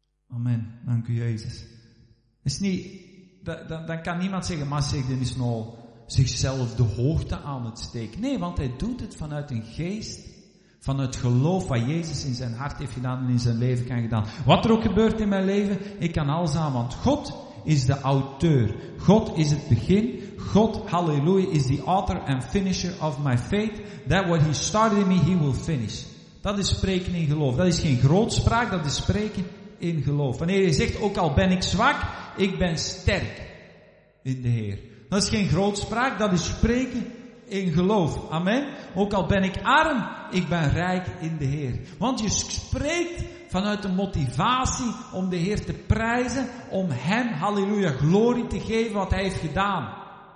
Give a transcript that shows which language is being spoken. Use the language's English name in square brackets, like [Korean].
[Dutch] Amen. Dank u, Jezus. Is niet, dan kan niemand zeggen, maar zeg, dit is nou zichzelf de hoogte aan het steken. Nee, want hij doet het vanuit een geest, vanuit geloof wat Jezus in zijn hart heeft gedaan en in zijn leven kan gedaan. Wat er ook gebeurt in mijn leven, ik kan alles aan, want God is de auteur. God is het begin. [English] God, halleluja, is the author and finisher of my faith. That what he started in me, he will finish. [Dutch] Dat is spreken in geloof. Dat is geen grootspraak, dat is spreken in geloof. Wanneer je zegt, ook al ben ik zwak, ik ben sterk in de Heer. Dat is geen grootspraak, dat is spreken in geloof. Amen. Ook al ben ik arm, ik ben rijk in de Heer. Want je spreekt vanuit de motivatie om de Heer te prijzen, om Hem, halleluja, glorie te geven wat Hij heeft gedaan.